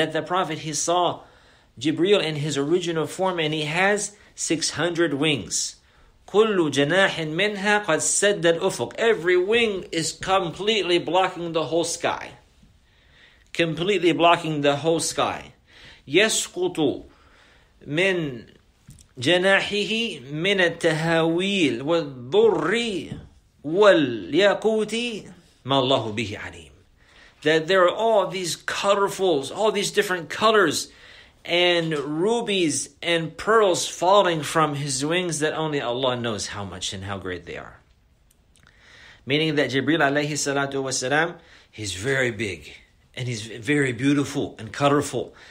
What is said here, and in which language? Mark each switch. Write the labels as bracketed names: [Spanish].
[English] That the Prophet, he saw Jibreel in his original form, and he has 600 wings. [Arabic] كُلُّ جَنَاحٍ مِنْهَا قَدْ سَدَّ الْأُفُقِ. [English] Every wing is completely blocking the whole sky. Completely blocking the whole sky. [Arabic] يَسْقُطُ مِنْ جناحه من التهاويل والضر والياقوت ما الله به عليم. [English] That there are all these colorfuls, all these different colors and rubies and pearls falling from his wings that only Allah knows how much and how great they are. Meaning that Jibreel alayhi salatu wasalam, he's very big and he's very beautiful and colorful.